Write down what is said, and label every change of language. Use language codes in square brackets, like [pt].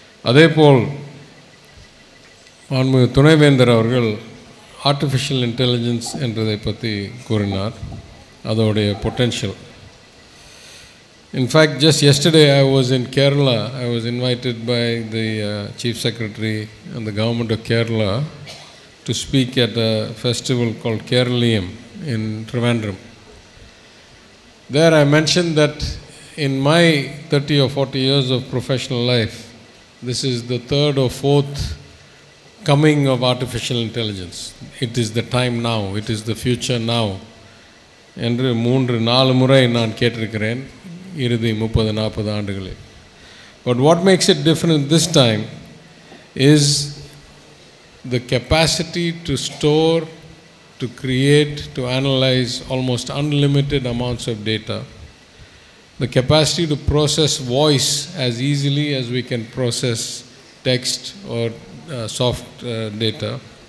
[ta] அதேபோல் மாண்புமிகு துணைவேந்தர் அவர்கள் ஆர்டிஃபிஷியல் இன்டெலிஜென்ஸ் என்றதை பற்றி கூறினார், அதோடைய potential. [en] In fact just yesterday I was in Kerala, I was invited by the chief secretary and the government of Kerala to speak at a festival called Keraleeyam in Trivandrum. There I mention that in my 30 or 40 years of professional life, this is the third or fourth coming of artificial intelligence. It is the time now. It is the future now. [ta] என்று மூன்று நாலு முறை நான் கேட்டிருக்கிறேன் இறுதி 30-40 ஆண்டுகளில். [en] But what makes it different this time is the capacity to store, to create, to analyze almost unlimited amounts of data. The capacity to process voice as easily as we can process text or soft data.